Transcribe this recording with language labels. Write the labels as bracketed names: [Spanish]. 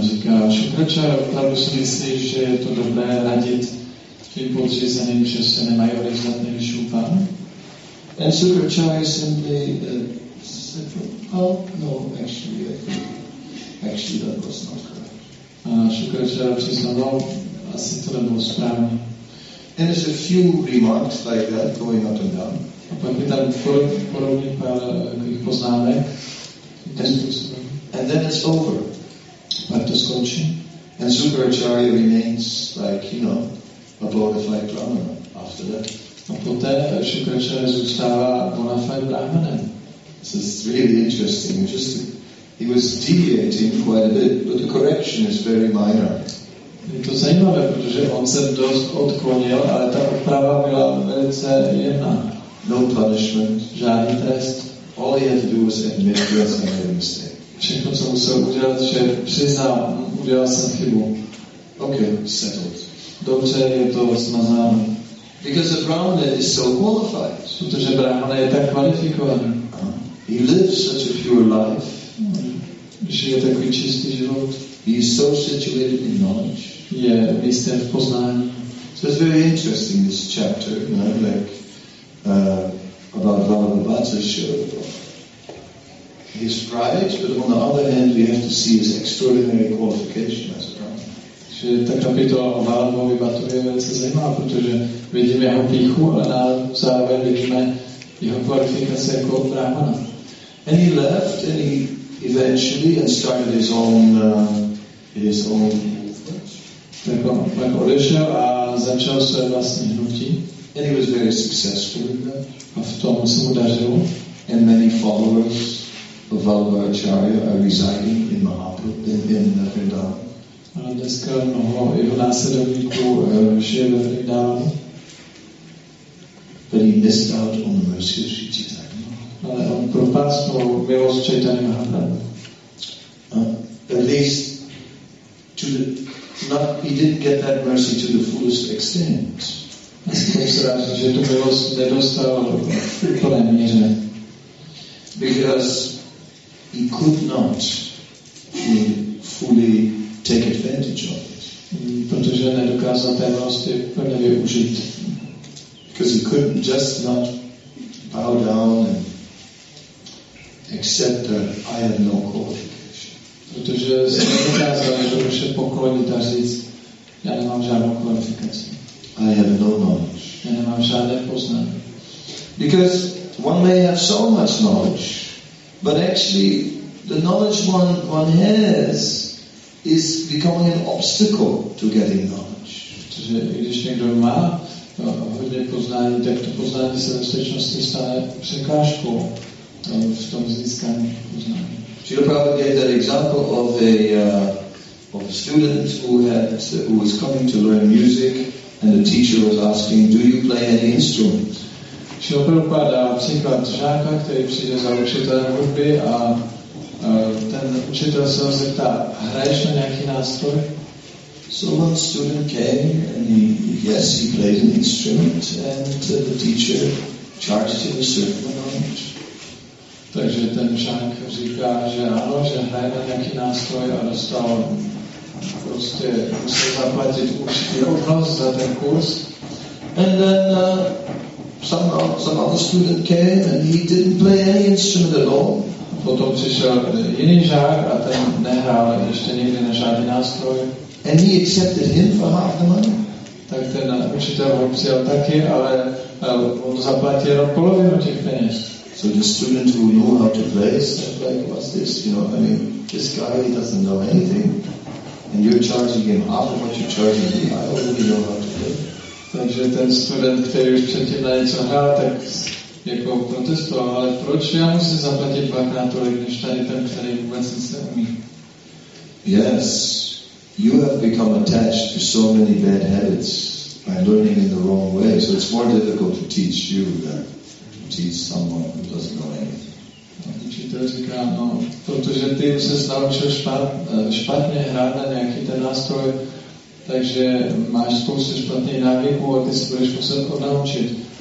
[Czech] A říká Sukracharya, opravdu si myslí, že je to dobré radit tím podřízeným, že se nemají odevzdat nejvyššímu pánu? [English] And Sukracharya simply said, oh, no, actually, actually, that was not correct. [Czech] Sukracharya přiznal, asi to nebylo správně. [English] And there's a few remarks like that going up and down. [Czech] A pak je tam podobný pár takových poznámek. [English] And then it's over. [Czech] Pak to skončí. [English] And Sukracharya remains like, you know, a bona fide brahmana after that. [Czech] A poté Sukracharya zůstává bona fide brahmana. [English] So it's really interesting. Interesting. He was deviating quite a bit, but the correction is very minor. [Czech] Je to zajímavé, protože on se dost odklonil, ale ta oprava byla velice jemná. [English] No punishment. [Czech] Žádný trest. [English] All he had to do was admit he was made a mistake. [Czech] Všechno, co musel udělat, že přiznal, udělal jsem chybu. [English] Okay, settled. [Czech] Dobře, je to smazáno. [English] Because the brahmana is so qualified. [Czech] Protože brahmana je tak kvalifikovaný. [English] He lives such a pure life. [Czech] Žije takový čistý život. [English] He is so situated in knowledge. [Czech] Je v jisté v poznání. [English] So it's very interesting, this chapter, you know, like, about Bhagavata's show. His pride, but on the other hand, we have to see his extraordinary qualification as a Brahmana. [Czech] Že ta kapitola o Balaamovi Batovi je velice zajímavá, protože vidíme jeho píchu, ale na závěr vidíme jeho kvalifikace jako brahmana. [English] And he left, and he eventually and started his own movement. [Czech] Tak odešel a začal své vlastní hnutí. [English] And he was very successful in that. [Czech] A v tom se mu dařilo. [English] And many followers of Vallabhacharya are residing in Mahaprabhu, in Vrindavan. [Czech] A dneska mnoho jeho následovníků žije ve Vrindavanu. [English] But he missed out on the mercy of Sri Chaitanya. [Czech] Ale on propásnul milost Chaitanya Mahaprabhu. [English] At least to the, not, he didn't get that mercy to the fullest extent. [Czech] Aspoň se rád, že tu milost nedostal v úplné míře. [English] Because he could not fully take advantage of it. [Czech] Protože nedokázal té milosti plně využít. [English] Because he couldn't just not bow down and accept that I have no qualification. [Czech] Protože se nedokázal jednoduše poklonit a říct, já nemám žádnou kvalifikaci. [English] I have no knowledge. [Czech] Já nemám žádné poznání. [English] Because one may have so much knowledge, but actually the knowledge one has is becoming an obstacle to getting knowledge. [Czech] Protože když někdo má hodně poznání, tak to poznání se ve skutečnosti stane překážkou v tom získání poznání. [English] Srila Prabhupada gave that example of a student who was coming to learn music, and the teacher was asking, "Do you play any instrument?" [Czech] Srila Prabhupada dal příklad žáka, který přijde za učitelem hudby a ten učitel se ho zeptá, hraješ na nějaký nástroj? [English] So one student came and he played an instrument and the teacher charged him a certain amount. [Czech] Takže ten žák říká, že ano, že hraje na nějaký nástroj a dostal prostě musel zaplatit určitý odnos za ten kurz. [English] And then some other student came and he didn't play any instrument at all. [Czech] Potom přišel jiný žák a ten nehrál ještě nikdy na žádný nástroj. [English] And he accepted him for half the money. [Czech] Tak ten učitel ho přijal taky, ale on zaplatil polovinu těch peněz. [English] So the student who knew how to play said, like, what's this? You know, I mean, this guy, he doesn't know anything. And you're charging him half of what you're charging him. I don't really know how to play. [Czech] Takže ten student, který už předtím na něco hrál, tak jako protestoval, ale proč já musím zaplatit dvakrát tolik, než tady ten, který vůbec nic neumí? [English] Yes, you have become attached to so many bad habits by learning in the wrong way, so it's more difficult to teach you than to teach someone who doesn't know anything. [Czech] Učitel říká, no, protože ty už se naučil špatně hrát na nějaký ten nástroj, takže máš spoustu špatných návyků a ty si budeš muset odnaučit.